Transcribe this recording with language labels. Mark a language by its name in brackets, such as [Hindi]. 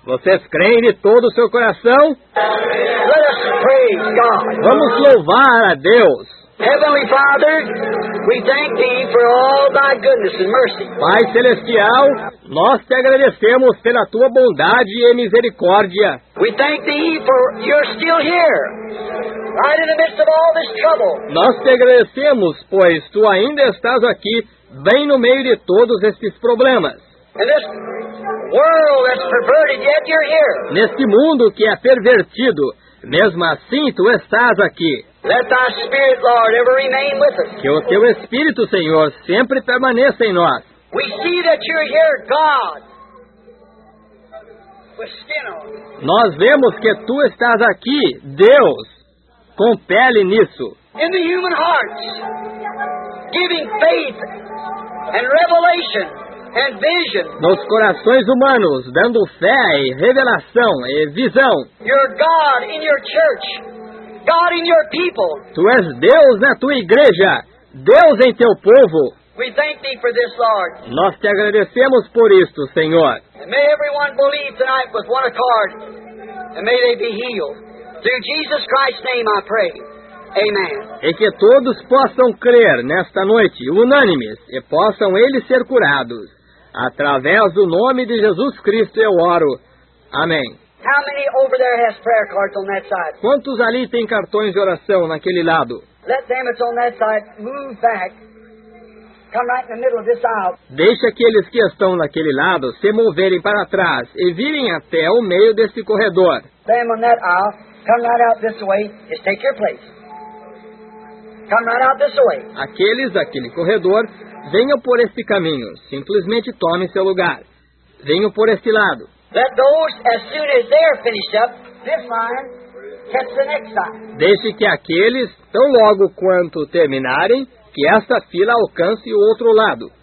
[Portuguese] Vocês creem de todo o seu coração? [English] Let us praise God. [Portuguese] Vamos louvar a Deus. [English] Heavenly Father, we thank thee for all thy goodness and mercy. [Portuguese] Pai Celestial, nós te agradecemos pela tua bondade e misericórdia. [English] We thank thee for you're still here. Right in the midst of all this trouble. [Portuguese] Nós te agradecemos, pois tu ainda estás aqui, bem no meio de todos estes problemas. [English] And this world that's perverted, yet you're here. [Portuguese] Neste mundo que é pervertido, Mesmo assim, tu estás aqui. [English] Let thy spirit, Lord, ever remain with us. [Portuguese] Que o teu Espírito, Senhor, sempre permaneça em nós. [English] We see that you're here, God. With skin on. [Portuguese] Nós vemos que tu estás aqui, Deus, com pele nisso. [English] In the human hearts, giving faith and revelation and vision. [Portuguese] Nos corações humanos, dando fé e revelação e visão. [English] You're God in your church. God in your people. [Portuguese] Tu és Deus na tua igreja, Deus em teu povo. [English] We thank thee for this, Lord. [Portuguese] Nós te agradecemos por isto, Senhor. [English] And may everyone believe tonight with one accord, and may they be healed. Through Jesus Christ's name I pray. Amen. [Portuguese] E que todos possam crer nesta noite, unânimes, e possam eles ser curados. Através do nome de Jesus Cristo eu oro. Amém. [English] How many over there has prayer cards on that side? [Portuguese] Quantos ali têm cartões de oração naquele lado? [English] Let them that's on that side move back. Come right in the middle of this aisle. [Portuguese] Deixe aqueles que estão naquele lado se moverem para trás e virem até o meio desse corredor. [English] Them on that aisle, come right out this way. Just take your place. Come right out this way. [Portuguese] Aqueles daquele corredor, venham por este caminho. Simplesmente tomem seu lugar. Venham por este lado. [English] Let those, as soon as they are finished up, this line, catch the next line. [Portuguese] Deixe que aqueles, tão logo quanto terminarem, que esta fila alcance o outro lado.